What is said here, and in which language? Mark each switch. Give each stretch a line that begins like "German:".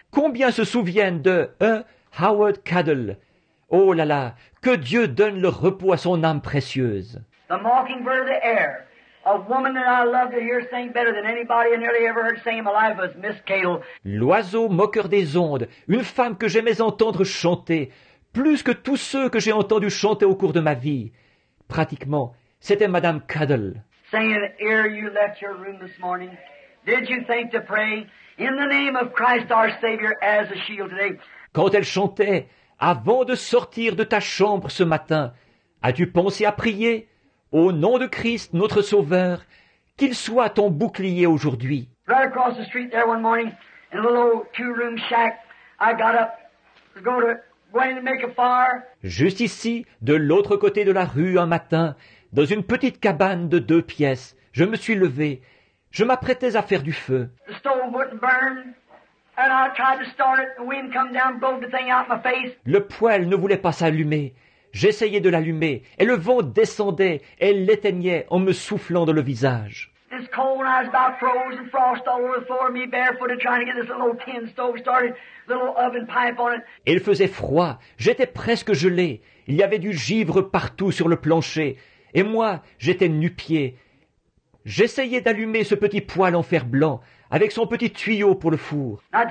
French: Combien se souviennent de E. Howard Cadle? Oh là là, que Dieu donne le repos à son âme précieuse.
English: The mockingbird of the air. A woman that I love to hear sing better than anybody I nearly ever heard sing in my life was Miss Cadle.
French: L'oiseau moqueur des ondes, une femme que j'aimais entendre chanter, plus que tous ceux que j'ai entendu chanter au cours de ma vie. Pratiquement, c'était Madame Cadle.
English: Saying, ere you left your room this morning, did you think to pray in the name of Christ our Savior as a shield today?
French: Quand elle chantait, avant de sortir de ta chambre ce matin, as-tu pensé à prier? Au nom de Christ, notre Sauveur, qu'il soit ton bouclier aujourd'hui.
English: Right across the street there one morning, in a little old two-room shack, I got up to go in to make a fire.
French: Juste ici, de l'autre côté de la rue un matin, dans une petite cabane de deux pièces, je me suis levé. Je m'apprêtais à faire du feu.
English: The stove wouldn't burn, and I tried to start it, the wind come down, blew the thing out my face.
French: Le poêle ne voulait pas s'allumer. J'essayais de l'allumer, et le vent descendait, et l'éteignait en me soufflant dans le visage.
English: this cold when I was about frozen, frost all over the floor of me, barefooted, trying to get this little old tin stove started, little oven pipe on it.
French: Il faisait froid, j'étais presque gelé, il y avait du givre partout sur le plancher, et moi, j'étais nu-pied. J'essayais d'allumer ce petit poêle en fer blanc, avec son petit tuyau pour le four.